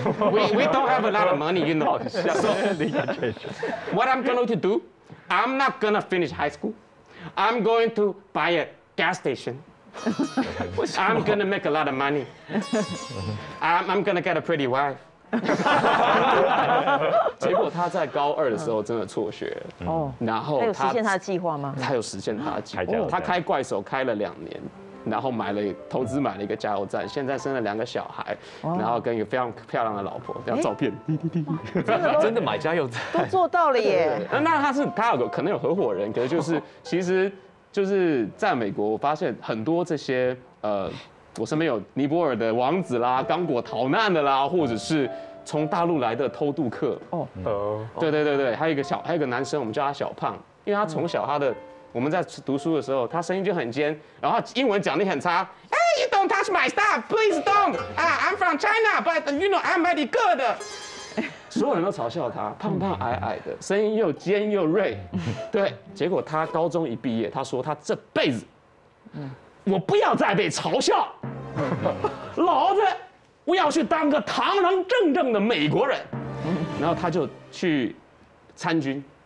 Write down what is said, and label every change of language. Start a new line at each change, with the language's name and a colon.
English: We don't have a lot of money, you know. So, what I'm going to do, I'm not going to finish high school. I'm going to buy a gas station. I'm going to make a lot of money. I'm going to get a pretty wife.
Chinese: 结果他在高二的时候真的辍学，然后他有实现他的计划吗？他有实现他的计划。他开怪手开了两年。然后买了投资买了一个加油站，现在生了两个小孩，然后跟一个非常漂亮的老婆，这张照片，真的买加油站都做到了耶。对对对，那他有可能有合伙人，可是就是其实就是在美国，我发现很多这些我身边有尼泊尔的王子啦，刚果逃难的啦，或者是从大陆来的偷渡客对对对对，还有一个男生，我们叫他小胖，因为他从小他的。我们在读书的时候，他声音就很尖，然后英文讲得很差。
English: Hey, you don't touch my stuff, please don't. I'm from China, but you know I'm mighty good.
Chinese: 所有人都嘲笑他，胖胖矮矮的，声音又尖又锐。对，结果他高中一毕业，他说他这辈子，我不要再被嘲笑，老子我要去当个堂堂正正的美国人。然后他就去参军。